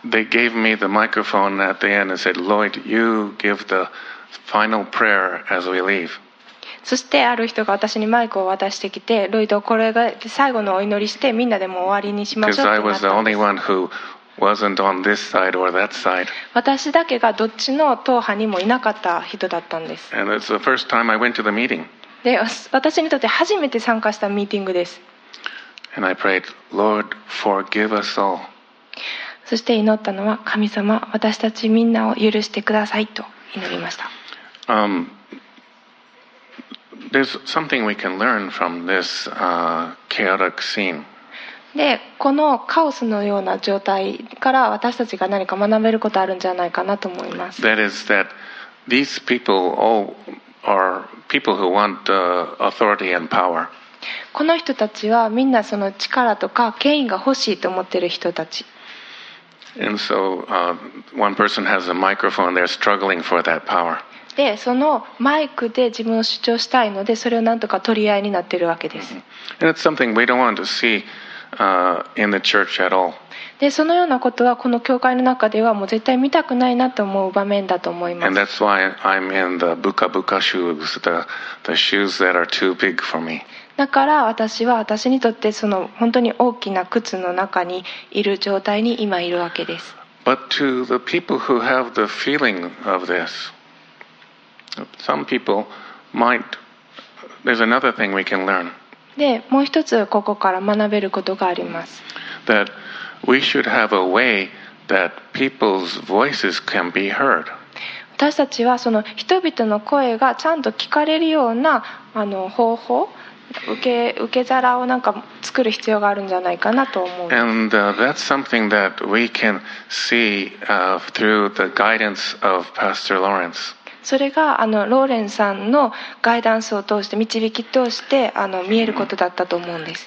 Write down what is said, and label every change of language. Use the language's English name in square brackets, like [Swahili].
[English] They gave me the microphone at the end and said, Lloyd, you give the final prayer as we leave. [Japanese] そしてある人が私にマイクを渡してきて、ロイド、これが最後のお祈りして、みんなでもう終わりにしましょうってなったんです。 [English] Because I was the only one who wasn't on this side or that side. [Japanese] 私だけがどっちの党派にもいなかった人だったんです。 [English] And it's the first time I went to the meeting. [Japanese] で、私にとって初めて参加したミーティングです。 [English] And I prayed, Lord, forgive us all. [Japanese] そして祈ったのは、神様、私たちみんなを許してくださいと祈りました。 [English] There's something we can learn from this chaotic scene. [Japanese] でこのカオスのような状態から私たちが何か学べることあるんじゃないかなと思います。 [English] That is that these people all are people who want authority and power. [Japanese] この人たちはみんなその力とか権威が欲しいと思っている人たち。 [English] And so one person has a microphone. They're struggling for that power. [Japanese] でそのマイクで自分を主張したいので、それをなんとか取り合いになっているわけです。 [English] And it's something we don't want to see. In the church at all. [Japanese] でそのようなことはこの教会の中ではもう絶対見たくないなと思う場面だと思います。 [English] And that's why I'm in the buka buka shoes, the shoes that are too big for me. [Japanese] だから私は私にとってその本当に大きな靴の中にいる状態に今いるわけです。 [English] But to the people who have the feeling of this, some people might. There's another thing we can learn. [Japanese] でもう一つここから学べることがあります。 [English] That we should have a way that people's voices can be heard. [Japanese] 私たちはその人々の声がちゃんと聞かれるようなあの方法、受け皿をなんか作る必要があるんじゃないかなと思う。 [English] And that's something that we can see through the guidance of Pastor Lawrence. [Japanese] それがあのローレンさんのガイダンスを通して導き通してあの見えることだったと思うんです。